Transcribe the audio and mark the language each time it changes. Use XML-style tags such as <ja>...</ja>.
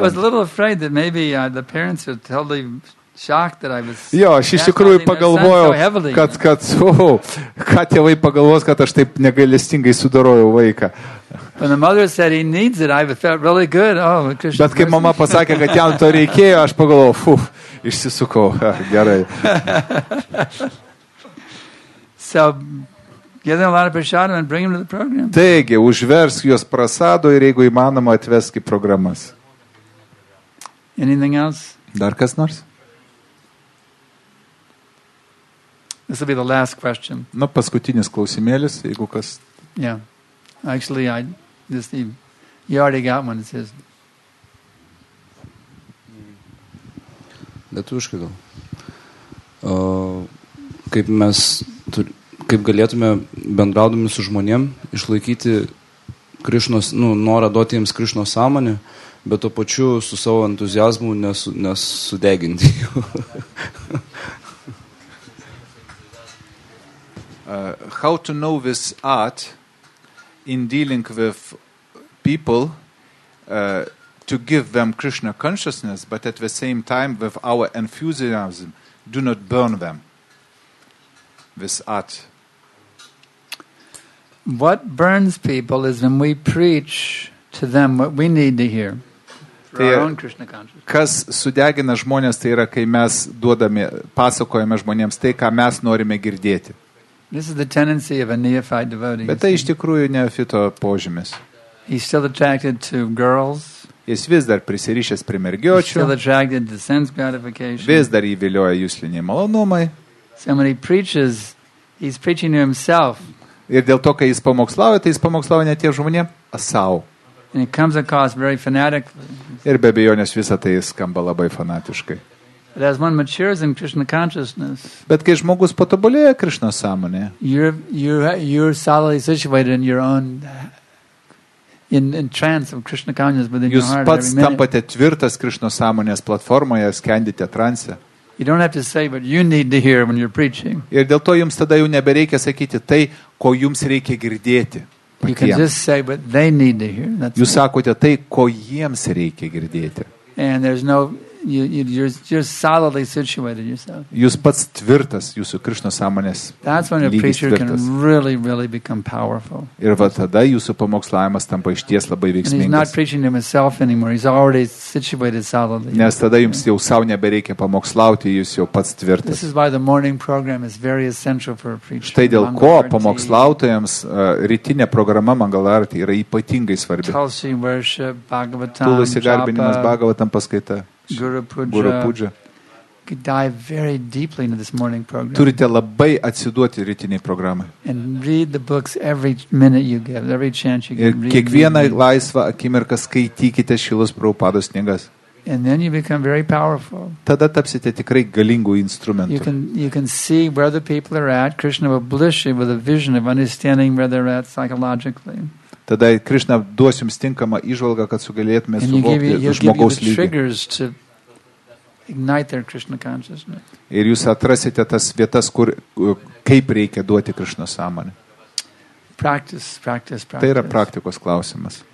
<en>I was a little afraid that maybe the parents would totally... shocked that I was.</en> <lt>Jo, aš iš tikrųjų pagalvojau, kad tėvai pagalvos, kad aš taip negailestingai sudorojau vaiką.</lt> <en>When the mother said he needs it, I felt really good. Oh, Krishna.</en> <lt>Bet kai mama pasakė, kad jam to reikėjo, aš pagalvojau, išsisukau, gerai.</lt> <en>So, give them a lot of prasadam and bring them to the program.</en> <lt>Taigi, užversk juos prasado ir jeigu įmanoma, atvesk į programas.</lt> <en>Anything else?</en> <lt>Dar kas nors?</lt> <en>This will be the last question.</en> <lt>Na, paskutinis klausimėlis, jeigu kas.</lt> <en>Yeah. Actually, you already got one, it says.</en> <lt>Lietuviškai gal. Kaip mes, kaip galėtume bendraudami su žmonėm išlaikyti Krišnos, norą duoti jiems Krišnos sąmonę, bet to pačiu su savo entuziazmu nesudeginti jų.</lt> <en>How to know this art in dealing with people to give them Krishna consciousness, but at the same time with our enthusiasm, do not burn them, this art. What burns people is when we preach to them what we need to hear.</en> <lt>Tai, kas sudegina žmonės, tai yra, kai mes duodame, pasakojame žmonėms tai, ką mes norime girdėti.</lt> <en>This is the tendency of a neophyte devotee.</en> <lt>Bet tai iš tikrųjų neofito požymis.</lt> <en>He's still attracted to girls.</en> <lt>Jis vis dar prisirišęs prie mergiočių.</lt> <en>He's still attracted to sense gratification.</en> <lt>Vis dar įvilioja jusliniai malonumai.</lt> <en>So when he preaches, he's preaching to himself.</en> <lt>Ir dėl to, kai jis pamokslauja, tai jis pamokslauja ne tie žmonė, a sau.</lt> <en>And it comes across very fanatically.</en> <lt>Ir be abejonės visą tai skamba labai fanatiškai.</lt> <en>But as one matures in Krishna consciousness,</en> <lt>bet kai žmogus patobulėja Krishna sąmonė,</lt> <en>you're solidly situated in your own in trance of Krishna consciousness within your heart.</en> <lt>Jūs pats tampate tvirtas Krishna sąmonės platformoje, skendite transe.</lt> <en>You don't have to say what you need to hear when you're preaching.</en> <lt>Ir dėl to jums tada jau nebereikia sakyti tai, ko jums reikia girdėti.</lt> <en>You can just say what they need to hear.</en> <lt>Jūs sakote tai, ko jiems reikia girdėti.</lt> <en>And there's no You're solidly situated yourself.</en> <lt>Jūs pats tvirtas, jūsų Krishna sąmonės.</lt> <en>That's when a preacher can really, really become powerful.</en> <lt>Ir va tada jūsų pamokslavimas tampa išties labai veiksmingas.</lt> <en>And he's not preaching to himself anymore. He's already situated solidly.</en> <lt>Nes tada jums jau sau nebereikia pamokslauti, jūs jau pats tvirtas.</lt> <en>This is why the morning program is very essential for a preacher.</en> <lt>Štai dėl ko pamokslautojams rytinė programa Mangalarti yra ypatingai svarbi.</lt> <en>Tulsi worship, Bhagavatam, Japa.</en> <lt>Tulsi garbinimas, Bhagavatam paskaita. Guru Puja.</lt> <en>Could dive very deeply into this morning program.</en> <lt>Turite labai atsiduoti rytinei programai.</lt> <en>And read the books every minute you get, every chance you get.</en> <lt>Ir kiekvieną laisvą akimirką skaitykite Šilos Prabhupados knygas.</lt> <en>And then you become very powerful.</en> <lt>Tada tapsite tikrai galingu instrumentu.</lt> <en>You can see where the people are at. Krishna will bless you with a vision of understanding where they're at psychologically.</en> <lt>Tada Krishna duos jums tinkamą įžvalgą, kad sugalėtume suvokti žmogaus lygį. Ir jūs atrasite tas vietas, kur kaip reikia duoti Krishna sąmonę.</lt> <en>Practice.</en> <lt>Tai yra praktikos klausimas.</lt>